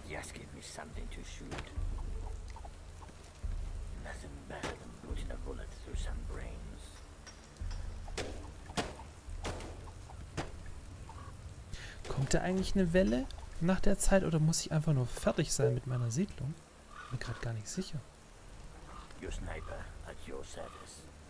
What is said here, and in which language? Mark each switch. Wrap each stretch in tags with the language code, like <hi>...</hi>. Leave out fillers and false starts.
<en>Just give me something to shoot. Nothing better than putting a bullet through some brains.</en> <de>Kommt da eigentlich eine Welle nach der Zeit oder muss ich einfach nur fertig sein mit meiner Siedlung? Bin mir gerade gar nicht sicher.</de> <en>Your sniper at your service.</en>